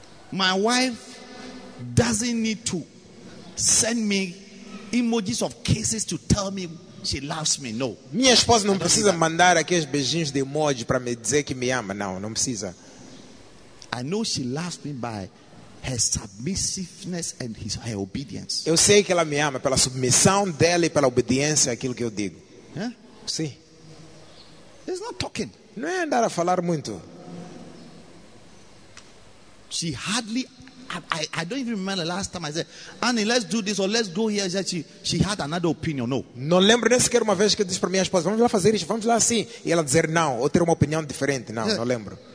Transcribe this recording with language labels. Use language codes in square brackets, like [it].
[en] My wife doesn't need to send me emojis of kisses to tell me she loves me. No. [pt] Minha esposa não precisa mandar aqueles beijinhos de emoji para me dizer que me ama. Não, não precisa. [en] I know she loves me by her submissiveness and her obedience. [pt] Eu sei que ela me ama pela submissão dela e pela obediência àquilo que eu digo. Sim. [en] She's not talking. [pt] Não é andar a falar muito. [en] She hardly, I don't even remember the last time I said, Annie, let's do this or let's go here. She had another opinion, no. [pt] Não lembro nem sequer uma vez que eu disse para minha esposa, vamos lá fazer isso, vamos lá assim. E ela dizer não, ou ter uma opinião diferente, não, não lembro.